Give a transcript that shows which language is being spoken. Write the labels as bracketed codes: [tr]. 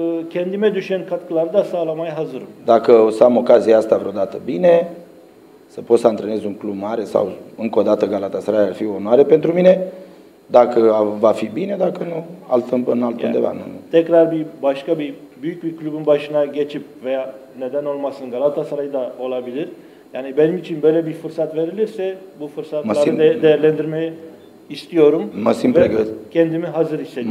[tr] Kendime düşen katkıları da sağlamaya hazırım. [ro] Dacă o să am ocazia asta vreodată, bine, să pot să antrenez un club mare sau încă o dată Galatasaray ar fi o onoare pentru mine. Dacă va fi bine, dacă nu, altundeva. [tr] Yani, tekrar bir başka bir büyük bir klubun başına geçip veya neden olmasın Galatasaray'da olabilir. Yani benim için böyle bir fırsat verilirse bu fırsatları değerlendirmeyi istiyorum. Kendimi hazır hissediyorum.